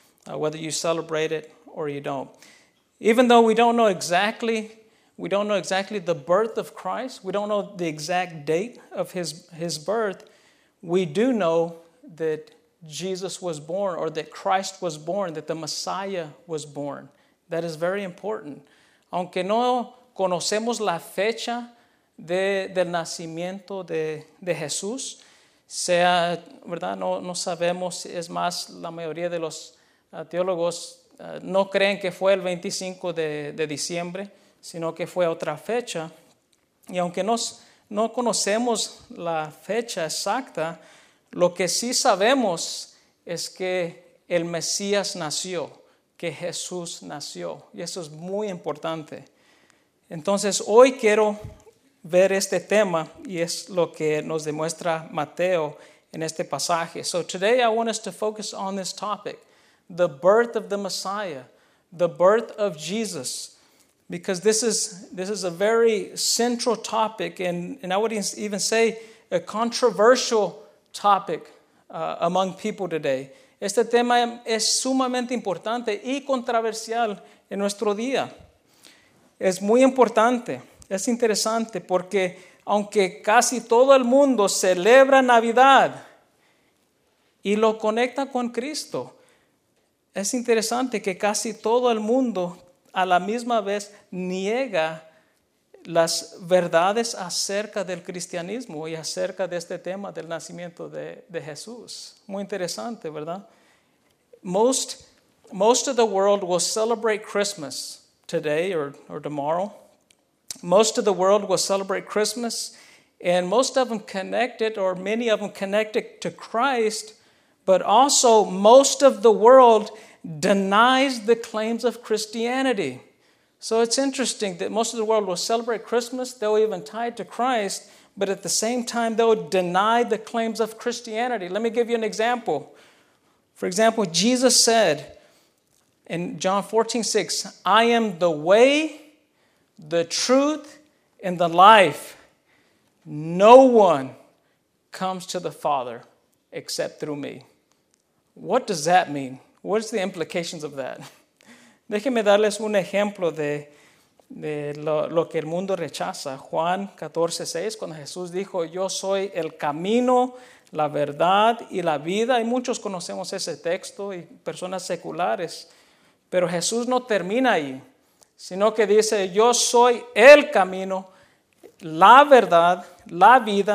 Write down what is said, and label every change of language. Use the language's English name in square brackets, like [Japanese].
[English] Whether you celebrate it or you don't. Even though we don't know exactly the birth of Christ, we don't know the exact date of his birth, we do know that Jesus was born, or that Christ was born, that the Messiah was born. That is very important. [Spanish] Aunque no conocemos la fecha del nacimiento de Jesús, sea, ¿verdad? No sabemos, es más, la mayoría de los teólogos no creen que fue el 25 de diciembre, sino que fue otra fecha. Y aunque no conocemos la fecha exacta, lo que sí sabemos es que el Mesías nació, que Jesús nació. Y eso es muy importante. Entonces, hoy quiero ver este tema, y es lo que nos demuestra Mateo en este pasaje. [English] So today I want us to focus on this topic. The birth of the Messiah, the birth of Jesus, because this is a very central topic, and I would even say a controversial topic among people today. [Spanish] Este tema es sumamente importante y controversial en nuestro día. Es muy importante, es interesante, porque aunque casi todo el mundo celebra Navidad y lo conecta con Cristo, es interesante que casi todo el mundo a la misma vez niega las verdades acerca del cristianismo y acerca de este tema del nacimiento de Jesús. Muy interesante, ¿verdad? [English] Most of the world will celebrate Christmas today or tomorrow. Most of the world will celebrate Christmas, and most of them connected, or many of them connected to Christ, but also most of the world denies the claims of Christianity. So it's interesting that most of the world will celebrate Christmas, they'll even tie it to Christ, but at the same time they'll deny the claims of Christianity. Let me give you an example. For example, Jesus said in John 14:6, I am the way, the truth, and the life. No one comes to the Father except through me. What does that mean? What's the implications of that? [Spanish] Déjenme darles un ejemplo de lo que el mundo rechaza. Juan 14:6, cuando Jesús dijo, yo soy el camino, la verdad y la vida. Y muchos conocemos ese texto y personas seculares. Pero Jesús no termina ahí, sino que dice, yo soy el camino, la verdad, la vida.